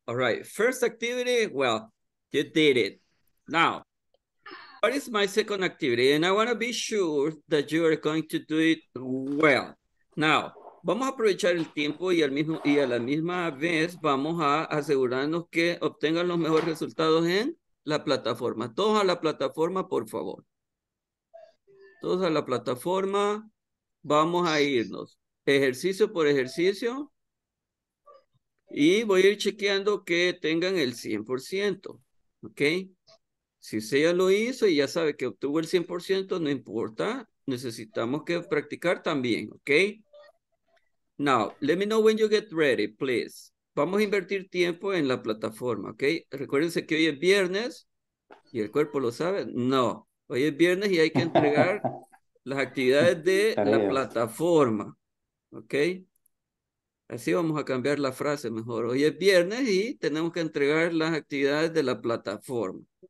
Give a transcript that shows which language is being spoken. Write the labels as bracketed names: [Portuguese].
[English] All right, first activity, well, you did it. Now, what is my second activity? And I want to be sure that you are going to do it well. [Spanish] Now, vamos a aprovechar el tiempo y a la misma vez vamos a asegurarnos que obtengan los mejores resultados en la plataforma. Todos a la plataforma, por favor. Todos a la plataforma. Vamos a irnos ejercicio por ejercicio. Y voy a ir chequeando que tengan el 100%. ¿Ok? Si usted ya lo hizo y ya sabe que obtuvo el 100%, no importa. Necesitamos que practicar también, ¿ok? [English] Now, let me know when you get ready, please. [Spanish] Vamos a invertir tiempo en la plataforma, ¿ok? Recuérdense que hoy es viernes y el cuerpo lo sabe. No, hoy es viernes y hay que entregar las actividades de la plataforma, ¿ok? Así vamos a cambiar la frase mejor. Hoy es viernes y tenemos que entregar las actividades de la plataforma.